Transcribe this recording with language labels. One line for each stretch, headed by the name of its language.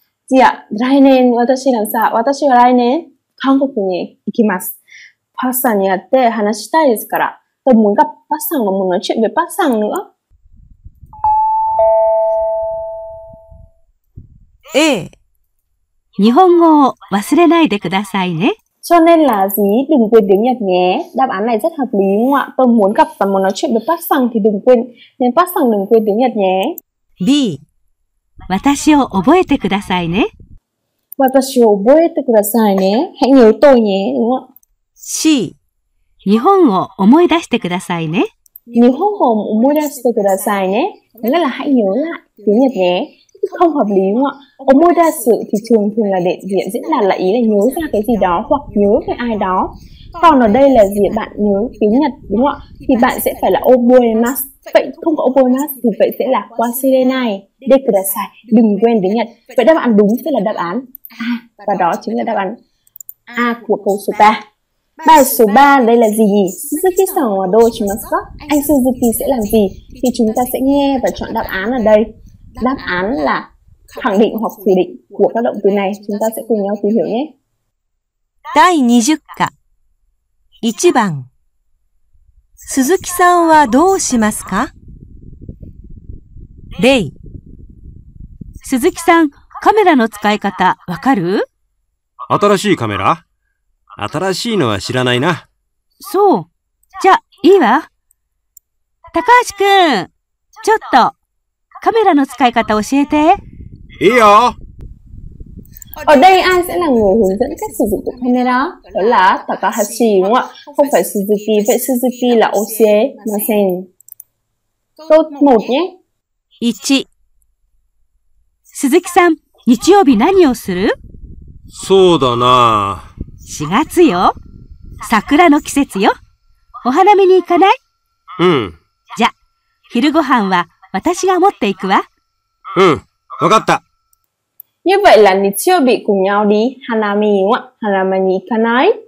Japanese: いや、来年、私らさ、私は来年、韓国に行きます。パクさんに会って、話したいですから。でも、パクさんが、もう、チェック、パクさんが、 A. 日本語を忘れないでくださいね。
Vietnamese: Cho nên là gì? Đừng quên tiếng Nhật nhé. Đáp án này rất hợp lý đúng không ạ? Tôi muốn gặp và muốn nói chuyện với Park Sang thì đừng quên. Nên Park Sang đừng quên tiếng Nhật nhé. B.
Japanese: 私を覚えてくださいね。私を覚えてくださいね。
Vietnamese: Hãy nhớ tôi nhé. Đúng không ạ? C.
Japanese: 日本を思い出してくださいね。日本語を思い出してくださいね。 Nghĩa là hãy nhớ lại tiếng Nhật nhé. Không hợp lý đúng không ạ?
Vietnamese: Omodasu thì thường là để diễn diễn đạt là ý là nhớ ra cái gì đó hoặc nhớ về ai đó. Còn ở đây là gì bạn nhớ tiếng Nhật đúng không ạ? Thì bạn sẽ phải là obuemas. Vậy không có obuemas thì vậy sẽ là
Japanese: wasirenai de kudasai.
Vietnamese: Đừng quên tiếng Nhật. Vậy đáp án đúng sẽ là đáp án A. Và đó chính là đáp án A của câu số 3. Bài số 3 đây là gì?
Japanese: Suzuki san wa dou shimasu ka?
Vietnamese: Anh Suzuki sẽ làm gì? Thì chúng ta sẽ nghe và chọn đáp án ở đây. Đáp án là khẳng định hoặc phủ định của các động từ này. Chúng ta sẽ cùng nhau tìm hiểu nhé.
Japanese: 第20課1番 Suzuki さんはどうしますか? レイ Suzuki さん、カメラの使い方わかる? 新しいカメラ? 新しいのは知らないな。そう。じゃ、いいわ。高橋くん、ちょっと、カメラの使い方教えて。いいよ。
Vietnamese: Ở đây ai sẽ là người hướng dẫn cách sử dụng của camera? Đó là Takahashi đúng không ạ? Không phải Suzuki, vậy Suzuki là
Japanese: Osie Masen.
Vietnamese: Câu 1 nhé. 1.
Japanese: Suzuki-san, 日曜日何をする? そうだな。 4月よ。桜の季節よ。お花見に行かない? うん。じゃ、昼ご飯は私が持っていくわ。うん、わかった。
Vietnamese: Như vậy là mình chưa bị cùng nhau đi Hanami đúng không ạ?
Japanese: Hanami ikanai.